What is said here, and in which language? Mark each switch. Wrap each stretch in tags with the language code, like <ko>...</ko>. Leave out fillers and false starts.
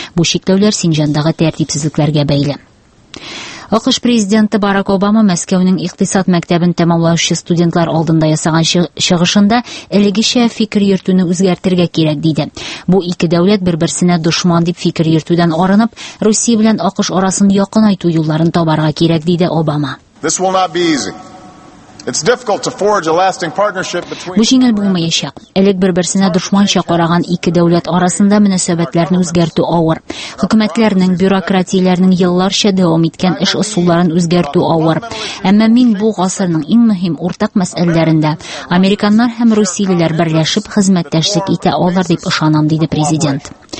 <tt>Бу чиклаулар Синьжандагы тәртипсезлекләргә бәйле. АҚШ президенті Барак Обама Мәскәүнең иқтисад мәктәбен тәмамлаучы студентлар алдында ясаган чыгышында элегешә фикер йөртүне үзгәртергә кирәк диде. Бу ике дәүләт бер-берсенә душман дип фикер йөртүдән арынып, Россия белән АҚШ арасын якынайту юлларын табарга кирәк диде Обама.</tt> <en>This will not be easy. It's difficult to forge a lasting partnership between</en> <tt>Бу җиңел булмаячак. Элек бер-берсенә душманча караган ике дәүләт арасында мөнәсәбәтләрне үзгәртү авыр. Хөкүмәтләрнең, бюрократияләрнең елларча дәвам иткән эш ысулларын үзгәртү авыр. Әмма мин бу гасырның иң мөһим уртак мәсьәләләрендә американнар һәм русиялеләр берләшеп хезмәттәшлек итә алар дип ышанам, диде президент.</tt>